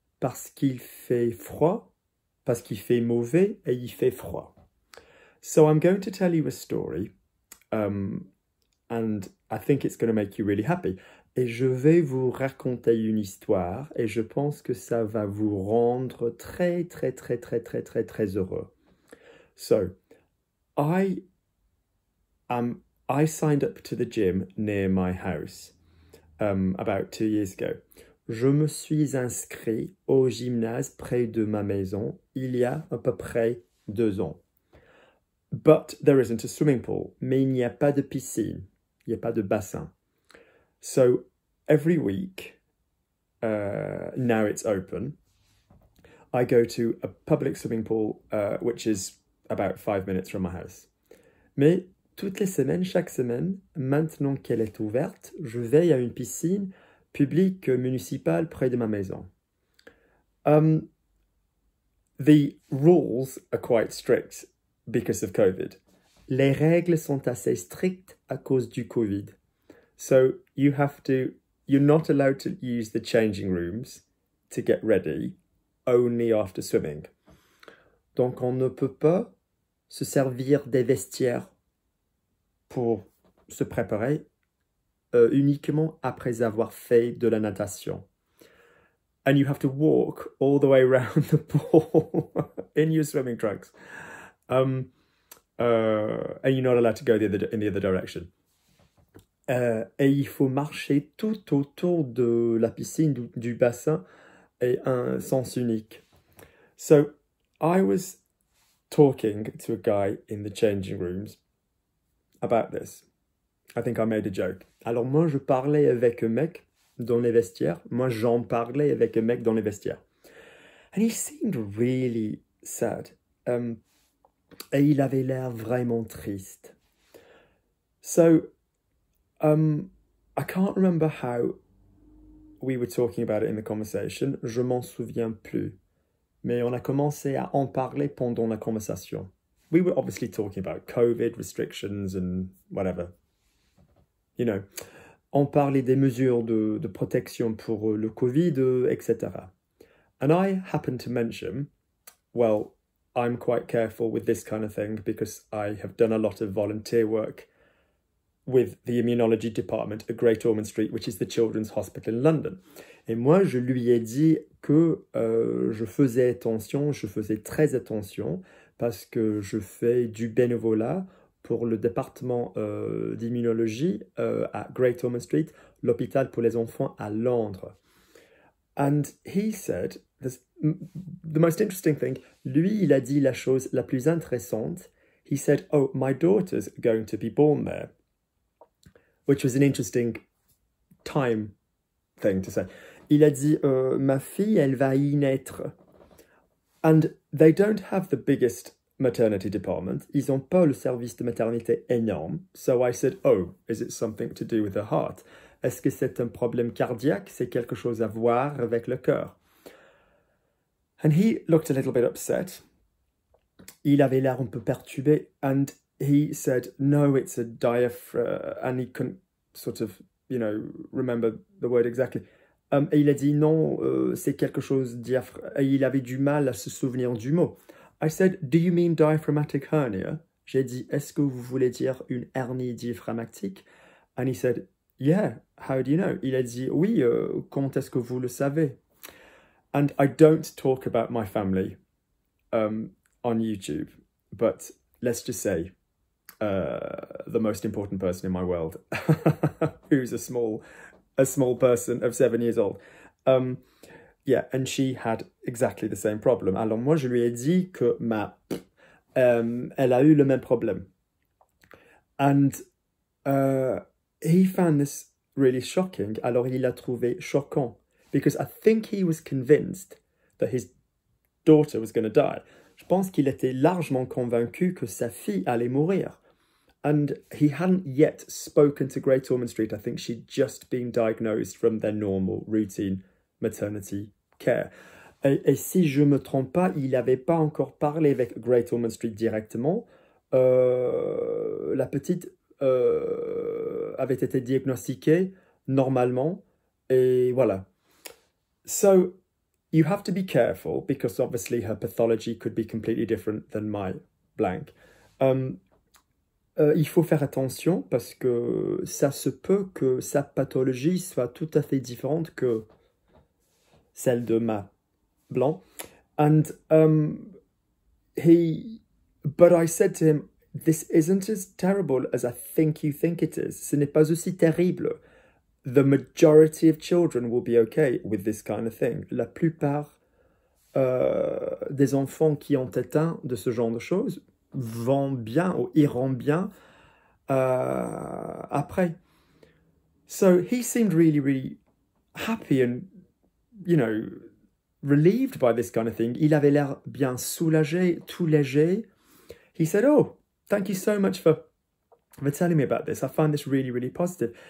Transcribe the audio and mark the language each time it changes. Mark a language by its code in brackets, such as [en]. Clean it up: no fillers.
[fr] Parce qu'il fait froid, parce qu'il fait mauvais et il fait froid. [en] So, I'm going to tell you a story. And I think it's going to make you really happy. [fr] Et je vais vous raconter une histoire et je pense que ça va vous rendre très, très, très, très, très, très, très heureux. [en] So, I signed up to the gym near my house about 2 years ago. [fr] Je me suis inscrit au gymnase près de ma maison il y a à peu près 2 ans. [en] But there isn't a swimming pool. [fr] Mais il n'y a pas de piscine. Il n'y a pas de bassin. [en] So every week, now it's open, I go to a public swimming pool, which is about 5 minutes from my house. [fr] Mais toutes les semaines, chaque semaine, maintenant qu'elle est ouverte, je vais à une piscine publique municipale près de ma maison. [en] The rules are quite strict because of COVID. [fr] Les règles sont assez strictes à cause du COVID. [en] So you're not allowed to use the changing rooms to get ready only after swimming. [fr] Donc on ne peut pas se servir des vestiaires pour se préparer uniquement après avoir fait de la natation. [en] And you have to walk all the way around the pool in your swimming trunks. And you're not allowed to go in the other direction. [fr] Et il faut marcher tout autour de la piscine, du bassin, et un sens unique. [en] So I was talking to a guy in the changing rooms about this. I think I made a joke. [fr] Alors moi, je parlais avec un mec dans les vestiaires. Moi, j'en parlais avec un mec dans les vestiaires. [en] And he seemed really sad. [fr] Et il avait l'air vraiment triste. [en] So, I can't remember how we were talking about it in the conversation. [fr] Je m'en souviens plus. Mais on a commencé à en parler pendant la conversation. [en] We were obviously talking about COVID restrictions and whatever. You know. [fr] On parlait des mesures de protection pour le COVID, etc. [en] And I happened to mention, well, I'm quite careful with this kind of thing because I have done a lot of volunteer work with the immunology department at Great Ormond Street, which is the Children's Hospital in London. [fr] Et moi, je lui ai dit que je faisais attention, je faisais très attention, parce que je fais du bénévolat pour le département d'immunologie à Great Ormond Street, l'hôpital pour les enfants à Londres. [en] And he said, the most interesting thing, [fr] lui, il a dit la chose la plus intéressante. [en] He said, oh, my daughter's going to be born there. Which was an interesting time thing to say. [fr] Il a dit, ma fille, elle va y naître. [en] And they don't have the biggest maternity department. [fr] Ils n'ont pas le service de maternité énorme. [en] So I said, oh, is it something to do with the heart? [fr] Est-ce que c'est un problème cardiaque? C'est quelque chose à voir avec le cœur? [en] And he looked a little bit upset. [fr] Il avait l'air un peu perturbé. [en] And he said, no, it's a diaphragm. And he couldn't sort of, remember the word exactly. [fr] Et il a dit non, c'est quelque chose diaphragme. Et il avait du mal à se souvenir du mot. [en] I said, do you mean diaphragmatic hernia? [fr] J'ai dit, est-ce que vous voulez dire une hernie diaphragmatique? [en] And he said, yeah, how do you know? [fr] Il a dit, oui, comment est-ce que vous le savez? [en] And I don't talk about my family, on YouTube, but let's just say the most important person in my world, who's a small person of 7 years old. And she had exactly the same problem. [fr] Alors moi, je lui ai dit que ma... elle a eu le même problème. [en] And he found this really shocking. [fr] Alors il l'a trouvé choquant. [en] Because I think he was convinced that his daughter was going to die. [fr] Je pense qu'il était largement convaincu que sa fille allait mourir. [en] And he hadn't yet spoken to Great Ormond Street. I think she'd just been diagnosed from their normal routine maternity care. [fr] Et si je me trompe pas, il n'avait pas encore parlé avec Great Ormond Street directement. La petite avait été diagnostiquée normalement. Et voilà. [en] So you have to be careful because obviously her pathology could be completely different than my blank. [fr] Il faut faire attention parce que ça se peut que sa pathologie soit tout à fait différente que celle de ma blanc. [en] And but I said to him, this isn't as terrible as I think you think it is. [fr] Ce n'est pas aussi terrible. [en] The majority of children will be okay with this kind of thing. [fr] La plupart des enfants qui ont atteint de ce genre de choses vont bien ou iront bien après. [en] So he seemed really, really happy and, you know, relieved by this kind of thing. [fr] Il avait l'air bien soulagé, tout léger. [en] He said, oh, thank you so much for telling me about this. I find this really, really positive.